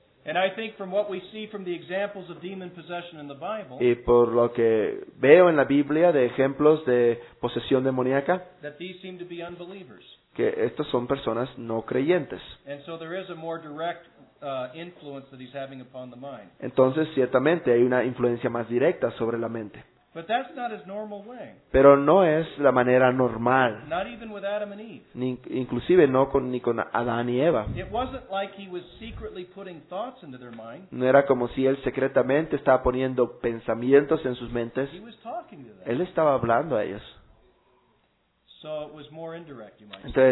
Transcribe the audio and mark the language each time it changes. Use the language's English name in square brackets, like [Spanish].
[English] And I think from what we see from the examples of demon possession in the Bible, [Spanish] y por lo que veo en la Biblia de ejemplos de posesión demoníaca, [English] that these seem to be unbelievers, [Spanish] que estas son personas no creyentes. [English] And so there is a more direct influence that he's having upon the mind. [Spanish] Entonces ciertamente hay una influencia más directa sobre la mente. [English] But that's not his normal way. [Spanish] Pero no es la manera normal. [English] Not even with Adam and Eve. [Spanish] Inclusive no con Adán y Eva. [English] It wasn't like he was secretly putting thoughts into their mind. [Spanish] No era como si él secretamente estaba poniendo pensamientos en sus mentes. [English] He was talking to them. [Spanish] Él estaba hablando a ellos. [English] So it was more indirect, you might say.